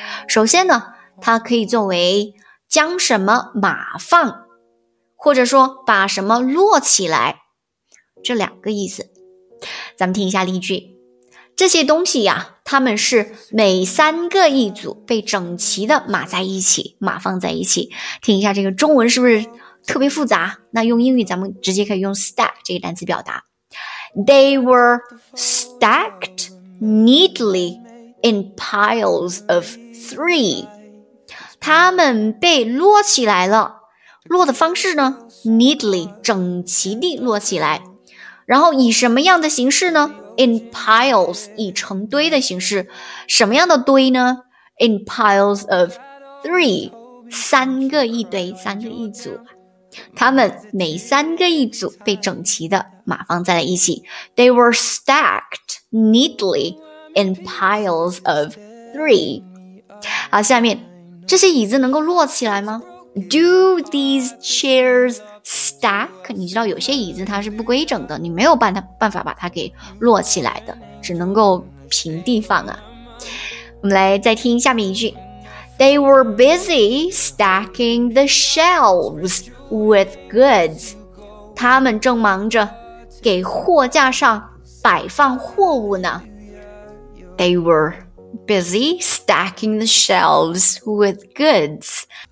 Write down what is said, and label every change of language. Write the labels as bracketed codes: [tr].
[zh] 首先呢，它可以作为将什么码放，或者说把什么摞起来。这两个意思，咱们听一下例句。这些东西呀，它们是每三个一组被整齐的码在一起，码放在一起。听一下这个中文是不是特别复杂？那用英语咱们直接可以用 stack 这个单词表达。 [en] They were stacked neatly in piles of three. [zh] 它们被摞起来了，摞的方式呢 ？neatly 整齐地摞起来。然后以什么样的形式呢 ？ [en] In piles， [zh] 以成堆的形式。什么样的堆呢 ？ [en] In piles of three， [zh] 三个一堆，三个一组。他们每三个一组被整齐的码放在了一起。 [en] They were stacked neatly in piles of three。 [zh] 好，下面这些椅子能够摞起来吗 ？ [en] Do these chairs？ [zh] Stack， 你知道有些椅子它是不规整的，你没有办法把它给摞起来的，只能够平地放啊。我们来再听下面一句 [en] ：They were busy stacking the shelves with goods。 [zh] 他们正忙着给货架上摆放货物呢。 [en] They were busy stacking the shelves with goods。